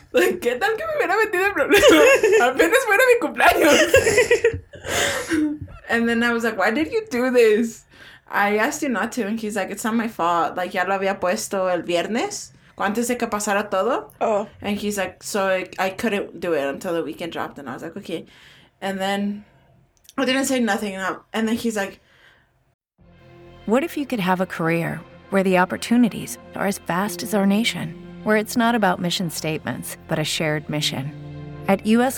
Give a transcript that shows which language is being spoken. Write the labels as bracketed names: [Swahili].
[Spanish] Like, ¿qué tal que me hubiera metido en problemas? Apenas fuera mi cumpleaños. [English] And then I was like, why did you do this? I asked you not to, and he's like, it's not my fault. [Spanish] Like, ya lo había puesto el viernes, antes de que pasara todo. Oh. [English] And he's like, so I couldn't do it until the weekend dropped, and I was like, okay. And then I didn't say nothing, and then he's like. What if you could have a career where the opportunities are as vast as our nation, where it's not about mission statements, but a shared mission? At U.S.